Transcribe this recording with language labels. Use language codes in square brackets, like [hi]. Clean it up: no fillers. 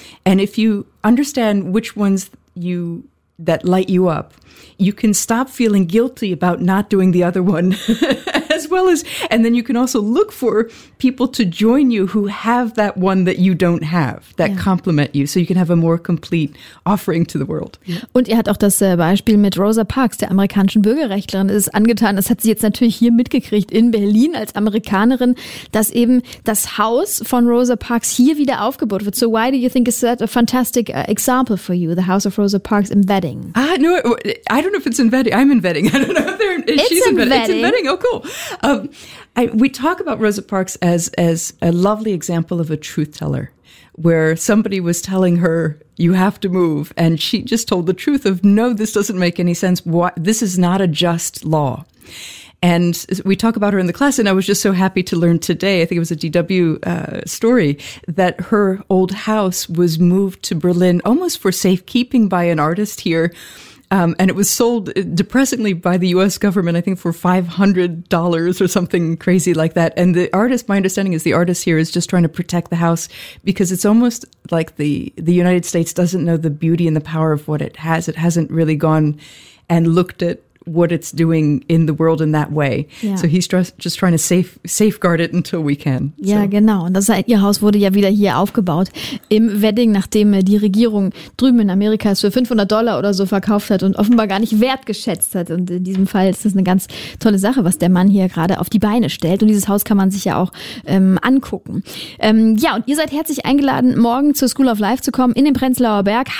[en] And if you understand which ones you that light you up, you can stop feeling guilty about not doing the other one as well as, and then you can also look for people to join you who have that one that you don't have, that yeah. complement you, so you can have a more complete offering to the world. [de] Und ihr habt auch das Beispiel mit Rosa Parks, der amerikanischen Bürgerrechtlerin, ist angetan, das hat sie jetzt natürlich hier mitgekriegt, in Berlin als Amerikanerin, dass eben das Haus von Rosa Parks hier wieder aufgebaut wird. [en] So why do you think is that a fantastic example for you, the house of Rosa Parks in Wedding? No, I don't know if it's in Wedding. I'm in Wedding. I don't know if they're in, she's in Wedding. It's in Wedding. Oh, cool. We talk about Rosa Parks as a lovely example of a truth teller, where somebody was telling her, you have to move. And she just told the truth of, no, this doesn't make any sense. Why? This is not a just law. And we talk about her in the class, and I was just so happy to learn today, I think it was a DW story, that her old house was moved to Berlin almost for safekeeping by an artist here. And it was sold depressingly by the U.S. government, I think for $500 or something crazy like that. And the artist, my understanding is the artist here is just trying to protect the house because it's almost like the United States doesn't know the beauty and the power of what it has. It hasn't really gone and looked at what it's doing in the world in that way. Yeah. So he's just trying to safeguard it until we can. [de] Ja, so. Genau. Und das ihr Haus wurde ja wieder hier aufgebaut im Wedding, nachdem die Regierung drüben in Amerika es für $500 oder so verkauft hat und offenbar gar nicht wertgeschätzt hat. Und in diesem Fall ist das eine ganz tolle Sache, was der Mann hier gerade auf die Beine stellt. Und dieses Haus kann man sich ja auch angucken. Ja, und ihr seid herzlich eingeladen, morgen zur School of Life zu kommen in den Prenzlauer Berg.